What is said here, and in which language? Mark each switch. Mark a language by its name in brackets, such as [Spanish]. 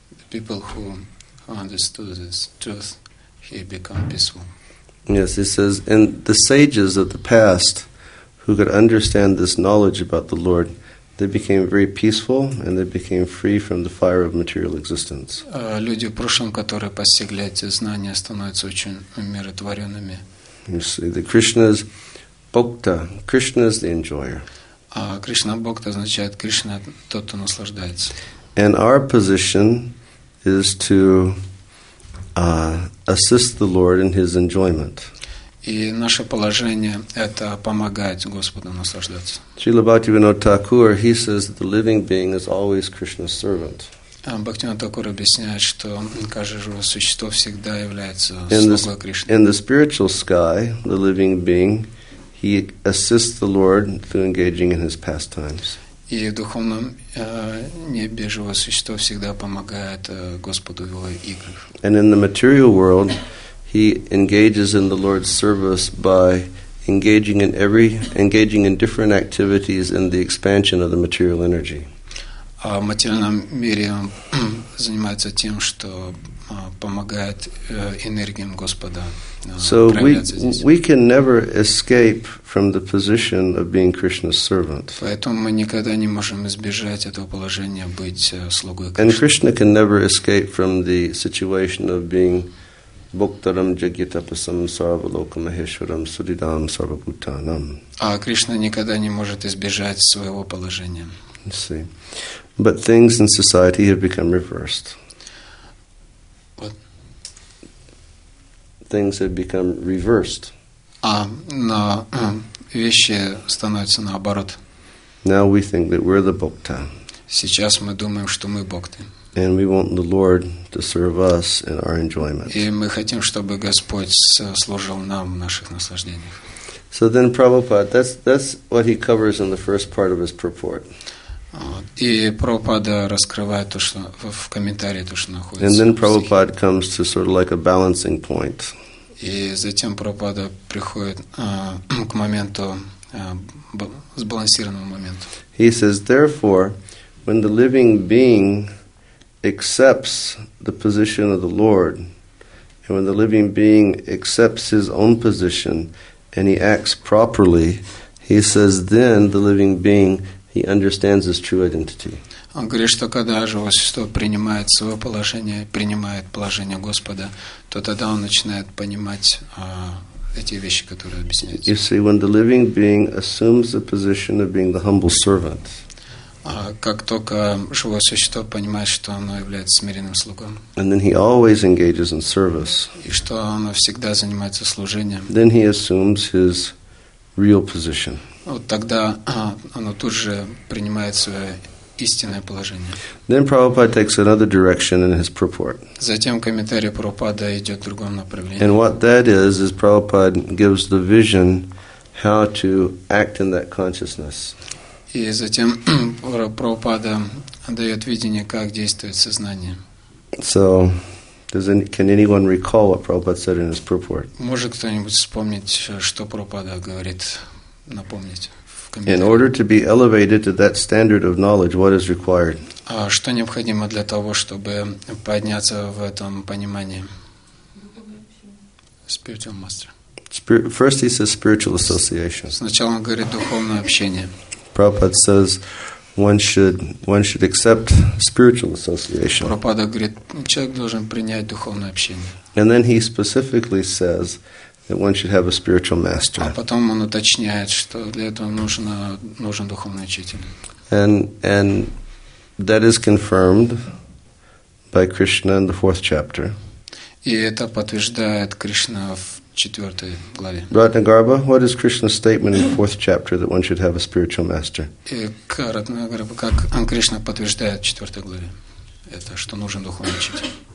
[English] People who understood this truth, he become peaceful. Yes, he says, and the sages of the past who could understand this knowledge about the Lord, they became very peaceful and they became free from the fire of material existence. [Russian] Люди в прошлом, которые постигли эти знания, становятся очень умиротворенными. [English] You see, the Krishna's bhokta, Krishna's the enjoyer. [Russian] Krishna bhokta означает Krishna тот, кто наслаждается. [English] And our position is to assist the Lord in His enjoyment. [Russian] И наше положение это помогать Господу наслаждаться. [English] Srila Bhaktivinoda Thakur, he says that the living being is always Krishna's servant. [Russian] Бхактивинода Такур объясняет, что каждое живое существо всегда является слугой Кришны. [English] In the spiritual sky, the living being, he assists the Lord through engaging in His pastimes. [Russian] И в духовном небе живое существо всегда помогает Господу в его играх. [English] And in the material world, he engages in the Lord's service by engaging in different activities in the expansion of the material energy. [Russian] А в материальном мире он занимается тем, что помогает энергиям Господа. [English] So we can never escape from the position of being Krishna's servant. [Russian] Поэтому мы никогда не можем избежать этого положения быть слугой Кришны. [English] And Krishna can never escape from the situation of being [Sanskrit] Bhuktaram Jagyatapasam Sarvalokamaheshwaram Suridam Sarvabhutanam. [Russian] А Кришна никогда не может избежать своего положения. [English] You see. But things in society have become reversed. What? Things have become reversed. [Russian] Но вещи становятся наоборот. [English] Now we think that we're the bhokta. [Russian] Сейчас мы думаем, что мы бхокты. [English] And we want the Lord to serve us in our enjoyment. [Russian] И мы хотим, чтобы Господь служил нам в наших наслаждениях. [English] So then Prabhupada, that's what he covers in the first part of his purport. [Russian] И Прабхупада раскрывает то, что в комментарии то, что находится. [English] And then Prabhupada comes to sort of like a balancing point. [Russian] И затем Прабхупада приходит к моменту сбалансированному моменту. [English] He says, therefore, when the living being accepts the position of the Lord, and when the living being accepts his own position, and he acts properly, he says, then the living being he understands his true identity. [Russian] Он говорит, что когда живое существо принимает свое положение, принимает положение Господа, то тогда он начинает понимать эти вещи, которые объясняются. [English] You see, when the living being assumes the position of being the humble servant, [Russian] как только живое существо понимает, что оно является смиренным слугом, [English] and then he always engages in service, [Russian] и что оно всегда занимается служением, [English] then he assumes his real position. [Russian] Вот тогда оно тут же принимает свое истинное положение. [English] Then Prabhupada takes another direction in his purport. [Russian] Затем комментарий Прабхупады идет в другом направлении. [English] And what that is Prabhupada gives the vision how to act in that consciousness. [Russian] И затем Прабхупада дает видение, как действует сознание. [English] So, can anyone recall what Prabhupada said in his purport? [Russian] Может кто-нибудь вспомнить, что Прабхупада говорит? Напомнить. [English] In order to be elevated to that standard of knowledge, what is required? [Russian] Что необходимо для того, чтобы подняться в этом понимании? [English] Spiritual master. First he says spiritual association. [Russian] Сначала он говорит духовное общение. [English] Prabhupada says one should accept spiritual association. [Russian] Прабхупада говорит, человек должен принять духовное общение. [English] And then he specifically says that one should have a spiritual master. [Russian] А потом он уточняет, что для этого нужен духовный учитель. [English] And that is confirmed by Krishna in the fourth chapter. [Russian] И это подтверждает Кришна в четвертой главе. [English] Ratnagarbha, what is Krishna's statement in the fourth chapter that one should have a spiritual master? [Russian] И Ratnagarbha, как Кришна подтверждает в четвертой главе, это что нужен духовный учитель.